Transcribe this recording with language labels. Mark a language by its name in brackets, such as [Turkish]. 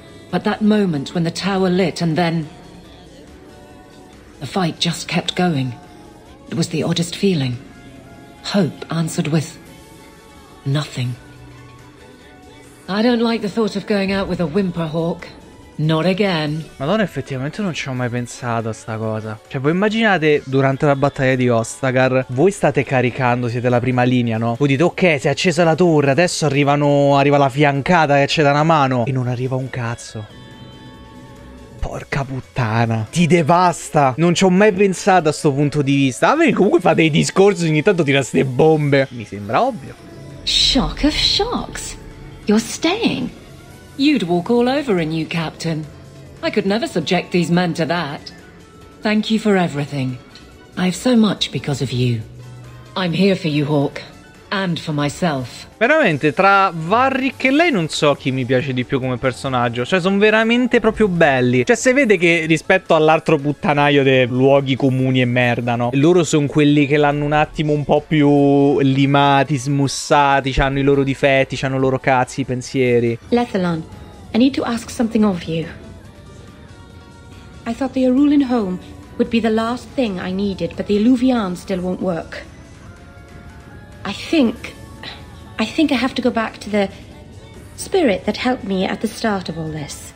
[English] But that moment when the tower lit and then... The fight just kept going. It was the oddest feeling. Hope answered with... Nothing. I don't like the thought of going out with a whimper, Hawk. Not again. [Italian] Madonna, effettivamente non ci ho mai pensato a sta cosa. Cioè, voi immaginate, durante la battaglia di Ostagar, voi state caricando, siete la prima linea, no? Voi dite, ok, si è accesa la torre, adesso arriva la fiancata che c'è da una mano. E non arriva un cazzo. Porca puttana, ti devasta. Non ci ho mai pensato a sto punto di vista. Ah, comunque fa dei discorsi, ogni tanto tira ste bombe. Mi sembra ovvio. [English] Shock of shocks. You're staying. You'd walk all over a new captain. I could never subject these men to that. Thank you for everything. I have so much because of you. I'm here for you, Hawk. and for myself. [Italian] Veramente, tra Varric e lei non so chi mi piace di più come personaggio. Cioè, sono veramente proprio belli. Cioè, si vede che rispetto all'altro puttanaio dei luoghi comuni e merda, no? Loro sono quelli che l'hanno un attimo un po' più limati, smussati. C'hanno i loro difetti, c'hanno i loro cazzi, i pensieri. [English] Lethalon, I need to ask something of you. I thought the Arulin home would be the last thing I needed, but the Illuvian still won't work. I think I have to go back to the spirit that helped me at the start of all this.